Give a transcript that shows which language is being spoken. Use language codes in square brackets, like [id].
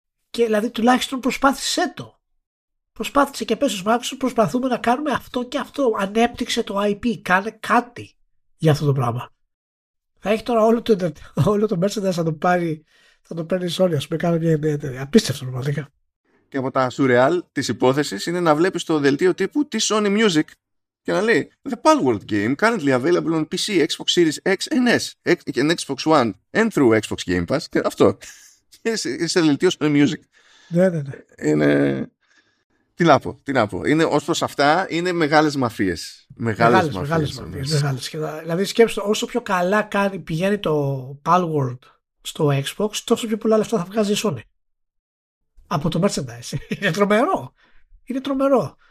[el] Και δηλαδή, τουλάχιστον προσπάθησε το. Προσπάθησε και πες στους Microsoft, προσπαθούμε να κάνουμε αυτό και αυτό. Ανέπτυξε το IP, κάνε κάτι για αυτό το πράγμα. Θα έχει τώρα όλο το merchandise, θα το παίρνει η Sony, ας πούμε, κάνει μια νέα εταιρεία. Απίστευτο, πραγματικά. Και από τα surreal της υπόθεσης είναι να βλέπεις το δελτίο τύπου της Sony Music και να λέει [en] The Palworld Game currently available on PC, Xbox Series X and S and Xbox One and through Xbox Game Pass. [el] Και αυτό. Είναι σε δελτίο Sony Music. Ναι. Είναι... Τι να πω. Είναι, ως προς αυτά, είναι μεγάλες μαφίες. Μεγάλες μαφίες. Δηλαδή, σκέψτε, όσο πιο καλά πηγαίνει το Palworld στο Xbox, τόσο πιο πολλά λεφτά θα βγάζει η Sony. Από το merchandise. Είναι τρομερό.